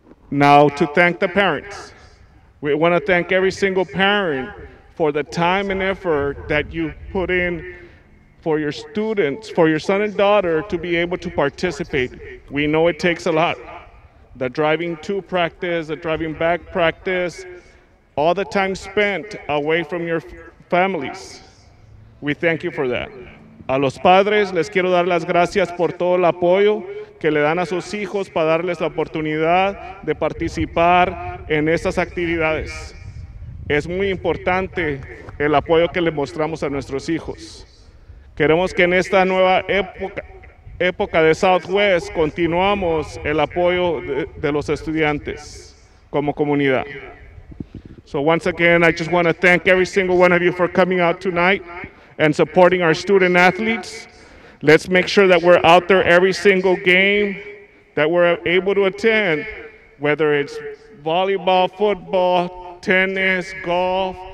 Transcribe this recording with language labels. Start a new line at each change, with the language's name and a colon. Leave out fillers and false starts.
English: Now, to thank the parents. We want to thank every single parent for the time and effort that you put in for your students, for your son and daughter to be able to participate. We know it takes a lot. The driving to practice, the driving back practice, all the time spent away from your families. We thank you for that.
Spanish: A los padres les quiero dar las gracias por todo el apoyo que le dan a sus hijos para darles la oportunidad de participar en estas actividades. Es muy importante el apoyo que le mostramos a nuestros hijos. Queremos que en esta nueva época de Southwest continuamos el apoyo de los estudiantes como comunidad.
English: So once again, I just want to thank every single one of you for coming out tonight and supporting our student athletes. Let's make sure that we're out there every single game that we're able to attend, whether it's volleyball, football, tennis, golf.